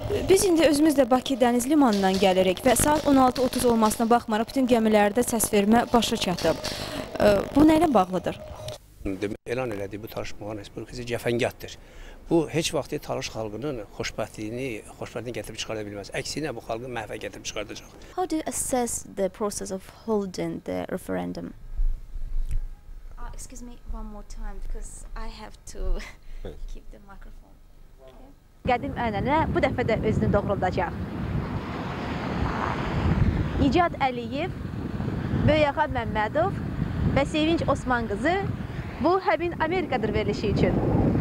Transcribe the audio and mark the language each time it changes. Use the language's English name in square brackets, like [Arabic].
[Azerbaijani] Biz indi özümüz də Bakı Dəniz Limanından gəlirik və saat 16:30 olmasına baxmaraq bütün gəmilərdə səs vermə başa çatıb. Bu nə ilə bağlıdır? Elan elədi bu tanışmağın Respublikası cəfəngiyyatdır. Bu, heç vaxtı tanış xalqının xoşbəxtliyini gətirib çıxarda bilməz. Əksinə, bu xalqı məhvə gətirib çıxardacaq. [English] How do you assess the process of holding the referendum? Excuse me one more time, because I have to keep the microphone. [Azerbaijani] Qədim ənənə bu dəfə də özünü doğrulacaq. Nicat Əliyev, Böyəxan Məmmədov və Sevinç Osman qızı bu həmin Amerikadır verilişi üçün.